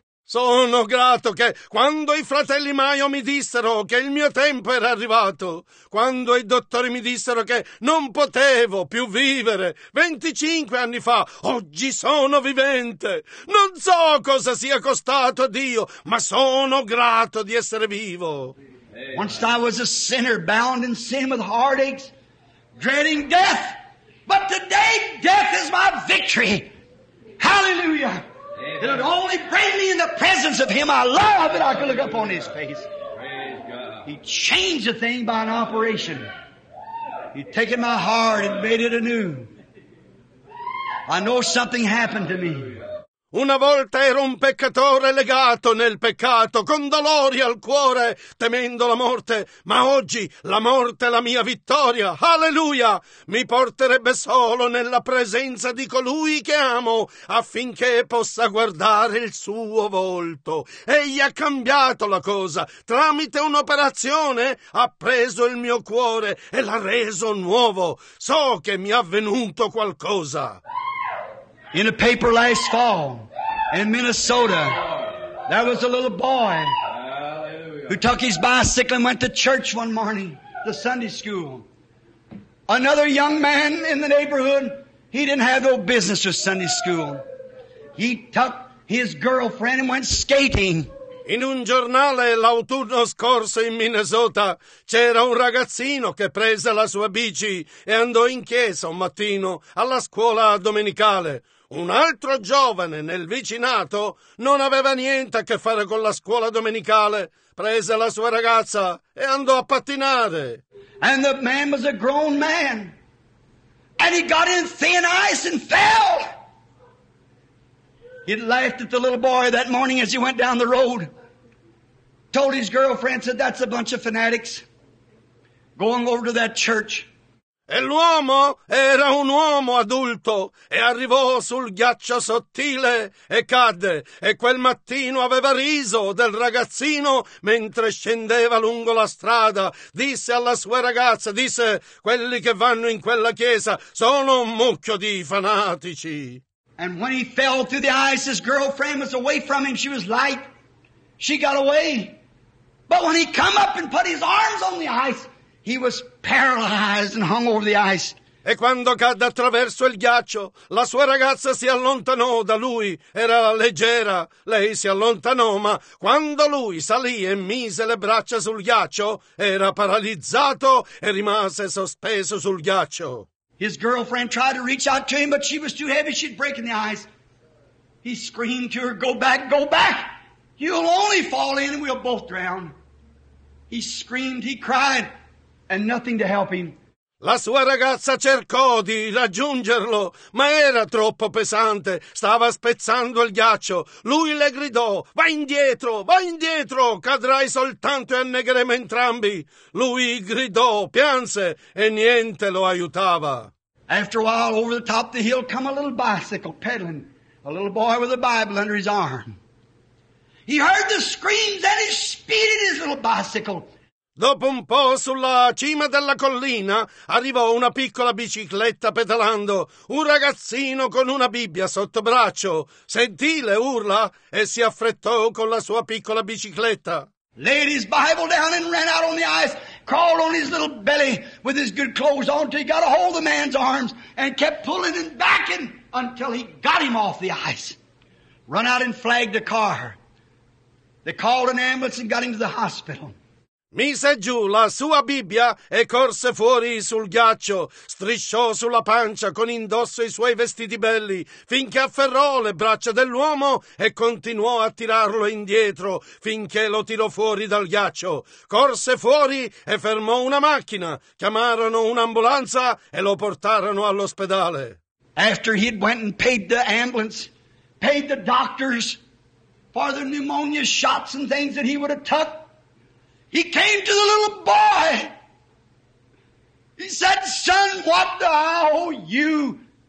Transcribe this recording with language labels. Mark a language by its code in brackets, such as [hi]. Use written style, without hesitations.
[it] Sono grato che quando i fratelli Maio mi dissero che il mio tempo era arrivato, quando i dottori mi dissero che non potevo più vivere, 25 anni fa, oggi sono vivente. Non so cosa sia costato a Dio, ma sono grato di essere vivo. [en] Once I was a sinner bound in sin with heartaches, dreading death, but today death is my victory. Hallelujah. It would only bring me in the presence of Him I love that I could look up on His face. He changed a thing by an operation. He'd taken my heart and made it anew. I know something happened to me. [it] Una volta ero un peccatore legato nel peccato, con dolori al cuore, temendo la morte, ma oggi la morte è la mia vittoria. Alleluia! Mi porterebbe solo nella presenza di colui che amo, affinché possa guardare il suo volto. Egli ha cambiato la cosa. Tramite un'operazione ha preso il mio cuore e l'ha reso nuovo. So che mi è avvenuto qualcosa. [en] In a paper last fall, in Minnesota, there was a little boy who took his bicycle and went to church one morning, the Sunday school. Another young man in the neighborhood, he didn't have no business with Sunday school. He took his girlfriend and went skating. [it] In un giornale l'autunno scorso in Minnesota c'era un ragazzino che prese la sua bici e andò in chiesa un mattino alla scuola domenicale. Un altro giovane nel vicinato non aveva niente a che fare con la scuola domenicale. Prese la sua ragazza e andò a pattinare. [en] And the man was a grown man. And he got in thin ice and fell. He laughed at the little boy that morning as he went down the road. Told his girlfriend, said, that's a bunch of fanatics going over to that church. [it] E l'uomo era un uomo adulto e arrivò sul ghiaccio sottile e cadde. E quel mattino aveva riso del ragazzino mentre scendeva lungo la strada. Disse alla sua ragazza, disse, quelli che vanno in quella chiesa sono un mucchio di fanatici. [en] And when he fell through the ice, his girlfriend was away from him. She was light. She got away. But when he come up and put his arms on the ice, he was paralyzed and hung over the ice. [it] E quando cadde attraverso il ghiaccio, la sua ragazza si allontanò da lui. Era leggera, lei si allontanò, ma quando lui salì e mise le braccia sul ghiaccio, era paralizzato e rimase sospeso sul ghiaccio. [en] His girlfriend tried to reach out to him, but she was too heavy, she'd break in the ice. He screamed to her, go back, you'll only fall in and we'll both drown. He screamed, he cried. And nothing to help him. [it] La sua ragazza cercò di raggiungerlo, ma era troppo pesante, stava spezzando il ghiaccio. Lui le gridò, vai indietro, cadrai soltanto e annegheremo entrambi. Lui gridò, pianse, e niente lo aiutava. [en] After a while, over the top of the hill, come a little bicycle, pedaling, a little boy with a Bible under his arm. He heard the screams and he speeded his little bicycle. [it] Dopo un po' sulla cima della collina arrivò una piccola bicicletta pedalando, un ragazzino con una Bibbia sotto braccio, sentì le urla e si affrettò con la sua piccola bicicletta. [en] Laid his Bible down and ran out on the ice, crawled on his little belly with his good clothes on till he got a hold of the man's arms and kept pulling and backing until he got him off the ice. Run out and flagged the car. They called an ambulance and got him to the hospital. [it] Mise giù la sua Bibbia e corse fuori sul ghiaccio, strisciò sulla pancia con indosso i suoi vestiti belli, finché afferrò le braccia dell'uomo e continuò a tirarlo indietro, finché lo tirò fuori dal ghiaccio. Corse fuori e fermò una macchina, chiamarono un'ambulanza e lo portarono all'ospedale. [en] After he'd went and paid the ambulance, paid the doctors for the pneumonia shots and things that he would have took, he came to the little boy. He said, son, what do I owe you?